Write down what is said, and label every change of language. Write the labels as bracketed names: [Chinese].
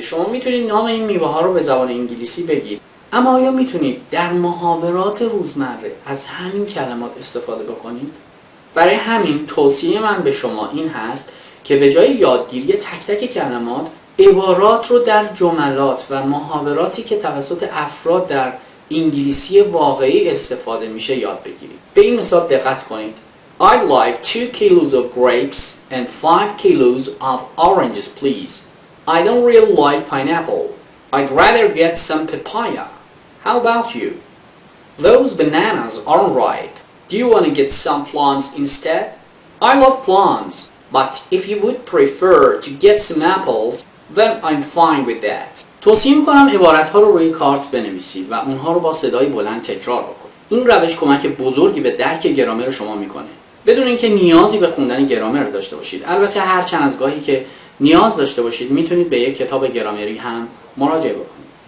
[Persian] شما میتونید نام این میوه ها رو به زبان انگلیسی بگید. اما آیا میتونید در محاورات روزمره از همین کلمات استفاده بکنید؟ برای همین توصیه من به شما این هست که به جای یادگیری تک تک کلمات، عبارات رو در جملات و محاوراتی که توسط افراد در انگلیسی واقعی استفاده میشه یاد بگیرید. به این مثال دقت کنید. [English] I'd like 2 kilos of grapes and 5 kilos of oranges, please. I don't really like pineapple. I'd rather get some papaya. How about you? Those bananas aren't ripe. Do you want to get some plums instead? I love plums, but if you would prefer to get some apples, then I'm fine with that. [Persian] توصیه میکنم عبارت ها رو روی کارت بنویسید و اونها رو با صدای بلند تکرار بکنید. این روش کمک بزرگی به درک گرامر شما میکنه بدون اینکه نیازی به خوندن گرامر داشته باشید. البته هر چند از گاهی که نیاز داشته باشید میتونید به یک کتاب گرامری هم مراجعه بکنید.